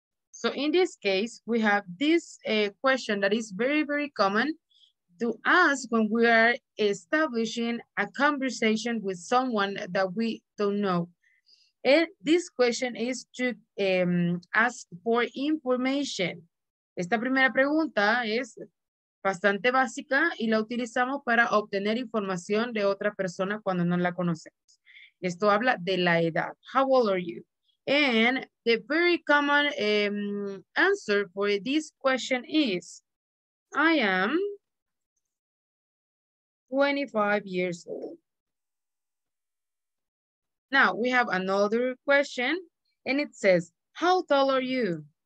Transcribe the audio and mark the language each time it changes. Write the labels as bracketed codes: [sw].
[en] So in this case, we have this question that is very, very common to ask when we are establishing a conversation with someone that we don't know. And this question is to ask for information. [es] Esta primera pregunta es bastante básica y la utilizamos para obtener información de otra persona cuando no la conocemos. Esto habla de la edad. [en] How old are you? And the very common answer for this question is, I am 25 years old. Now we have another question and it says, how tall are you?